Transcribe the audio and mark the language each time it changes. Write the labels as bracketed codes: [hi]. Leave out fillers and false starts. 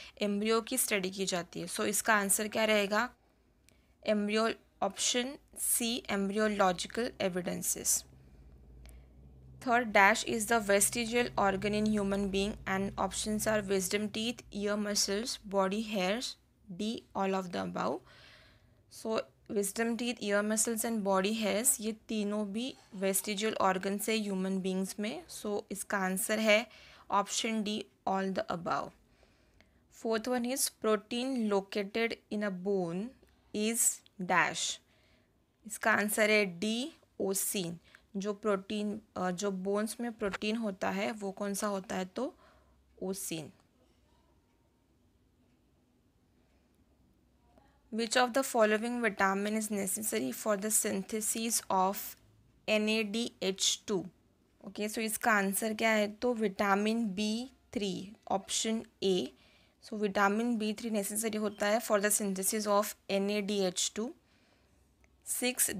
[hi] Embryo की study की जाती है. So इसका answer क्या रहेगा? Embryo, option C, embryological evidences. [en] Third dash is the vestigial organ in human being and options are wisdom teeth, ear muscles, body hairs, D, all of the above. [hi] So wisdom teeth, year muscles and body hairs, ये तीनों भी vestigial organs है human beings में। सो इसका answer है option D, all the above. [en] Fourth one is protein located in a bone is dash. [hi] इसका answer है D, ओसिन। जो प्रोटीन, जो बोन्स में प्रोटीन होता है वो कौन सा होता है? तो ओसिन। [en] Which of the following vitamin is necessary for the synthesis of NADH2? [hi] Okay, so इसका answer क्या है? तो vitamin B3, option A. [en] So vitamin B3 necessary [hi] होता है [en] for the synthesis of NADH2. 6.